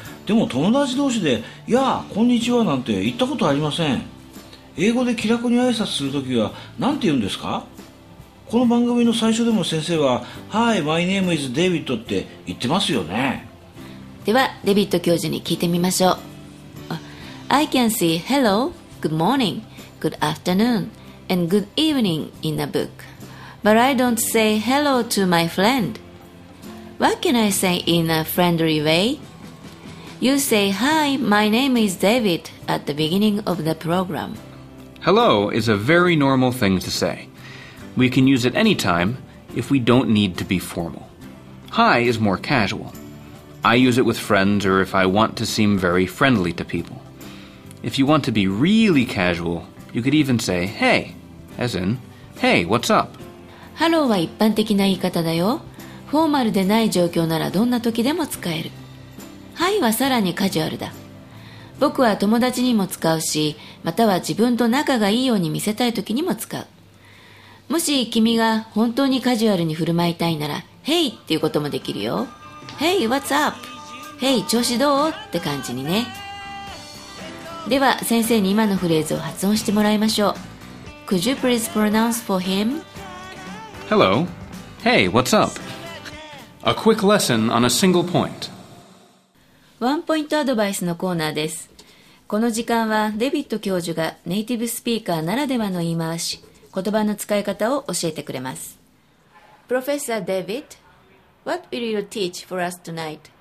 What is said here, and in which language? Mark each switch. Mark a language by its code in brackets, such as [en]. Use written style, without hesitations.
[ja] でも友達同士でいやこんにちはなんて言ったことありません。英語で気楽に挨拶するときはなんて言うんですか？この番組の最初でも先生は [en] Hi, my name is David [ja] って言ってますよね。ではデビット教授に聞いてみましょう。 [en] I can see hello, good morning, good afternoon and good evening in a book, but I don't say hello to my friend. What can I say in a friendly way? You say hi, my name is David at the beginning of the program. Hello is a very normal thing to say. We can use it anytime if we don't need to be formal. Hi is more casual. I use it with friends or if I want to seem very friendly to people. If you want to be really casual, you could even say hey, as in, hey, what's up? [ja] Hello は一般的な言い方だよ。フォーマルでない状況ならどんな時でも使える。Hi はさらにカジュアルだ。僕は友達にも使うし、または自分と仲がいいように見せたい時にも使う。もし君が本当にカジュアルに振る舞いたいなら Hey っていうこともできるよ。 [en] Hey, what's up? Hey, [ja] 調子どう?って感じにね。では先生に今のフレーズを発音してもらいましょう。 [en] Could you please pronounce for him? Hello. Hey, what's up? A quick lesson on a single point. [ja] ワンポイントアドバイスのコーナーです。この時間はデビット教授がネイティブスピーカーならではの言い回し、言葉の使い方を教えてくれます。 [en] Professor David, what will you teach for us tonight?